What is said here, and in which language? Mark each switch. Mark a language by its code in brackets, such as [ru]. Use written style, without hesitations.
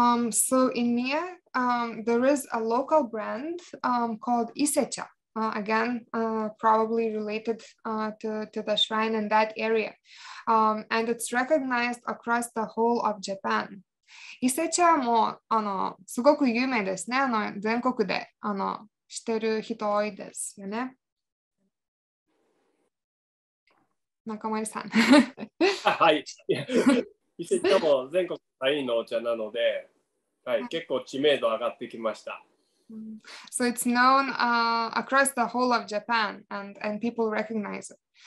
[en] So in Mie, there is a local brand called Isecha. Again, probably related to the shrine in that area. And it's recognized across the whole of Japan. [ja] Isecha もすごく有名ですね。全国で知ってる人多いですよね。中森さん。はい。伊勢茶も全国大変のお茶なので、はい、結構知名度上がってきました。 [en] So it's known across the whole of Japan and people recognize it.